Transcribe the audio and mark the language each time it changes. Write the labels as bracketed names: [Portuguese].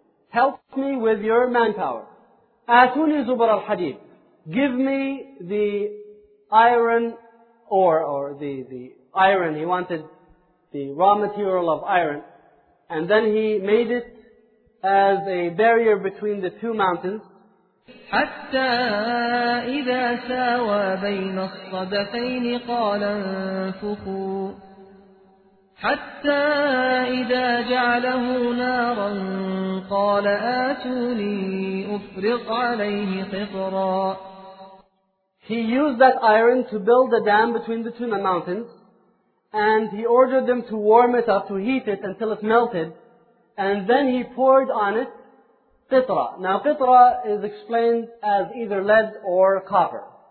[English] Help me with your manpower. [Arabic] أَتُونِي زُبَرَ الْحَدِيدِ. [English] Give me the iron ore or the iron. He wanted the raw material of iron. And then he made it as a barrier between the two mountains. [Arabic] حتى إذا ساوى بين الصدفين قال انفخوا حتى إذا جعله نارا قال آتوني أفرغ عليه قطرا. [English] He used that iron to build a dam between the two mountains, and he ordered them to warm it up, to heat it until it melted, and then he poured on it قطرة. Now قطرة is explained as either lead or copper.